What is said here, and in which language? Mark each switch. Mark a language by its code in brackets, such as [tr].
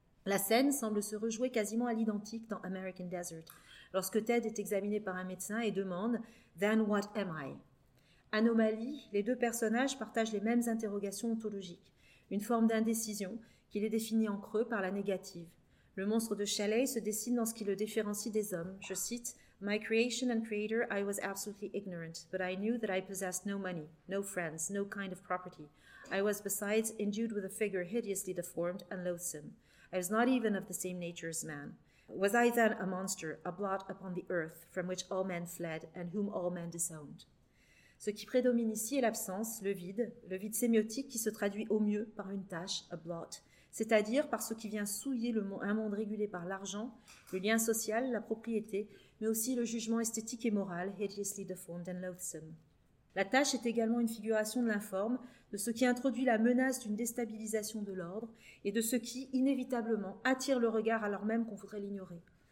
[fr] La scène semble se rejouer quasiment à l'identique dans American Desert, lorsque Ted est examiné par un médecin et demande « [en] Then what am I ?» [fr] Anomalie, les deux personnages partagent les mêmes interrogations ontologiques, une forme d'indécision qui les définit en creux par la négative. Le monstre de Shelley se dessine dans ce qui le différencie des hommes. Je cite [en] « My creation and creator, I was absolutely ignorant, but I knew that I possessed no money, no friends, no kind of property. I was besides endued with a figure hideously deformed and loathsome. I was not even of the same nature as man. Was I then a monster, a blot upon the earth, from which all men fled and whom all men disowned ?» [fr] Ce qui prédomine ici est l'absence, le vide sémiotique qui se traduit au mieux par une tache, [en] a blot, [fr] c'est-à-dire par ce qui vient souiller un monde régulé par l'argent, le lien social, la propriété, mais aussi le jugement esthétique et moral, [en] hideously deformed and loathsome. [fr] La tâche est également une figuration de l'informe, de ce qui introduit la menace d'une déstabilisation de l'ordre et de ce qui, inévitablement, attire le regard alors même qu'on voudrait l'ignorer.